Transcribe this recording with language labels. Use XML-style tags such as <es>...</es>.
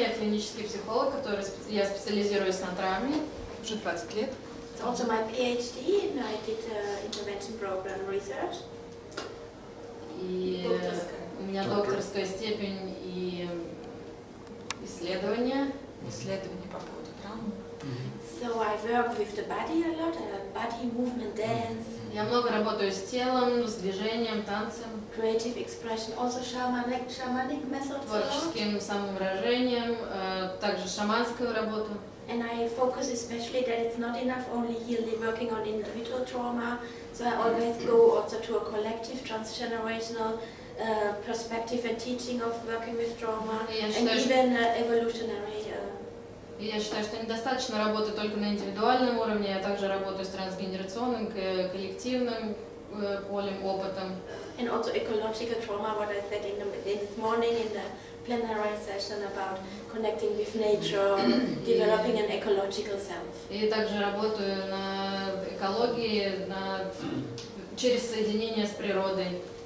<ru>Я клинический психолог, я специализируюсь на травме уже 20 лет.</ru> <en>It's also my PhD, and I did intervention program research.</en> <ru>И у меня докторская степень и исследования по поводу травмы.</ru> <en>So I work with the body a lot, body movement, dance.</en> <ru>Я много работаю с телом, с движением, танцем.</ru> <en>Creative expression, also shamanic methods.</en> <ru>Творческим самовыражением, также шаманскую работу.</ru> <en>And I focus especially that it's not enough only healing, working on individual trauma. So I always go also to a collective transgenerational perspective and teaching of working with trauma, and even evolutionary.</en> <ru>Я считаю, что недостаточно работы только на индивидуальном уровне. Я также работаю с трансгенерационным, коллективным полем, опытом.</ru> <en>And also ecological trauma, what I said this morning in the plenary session about connecting with nature, developing an ecological self.</en> <ru>И также работаю над экологией, через соединение с природой.</ru>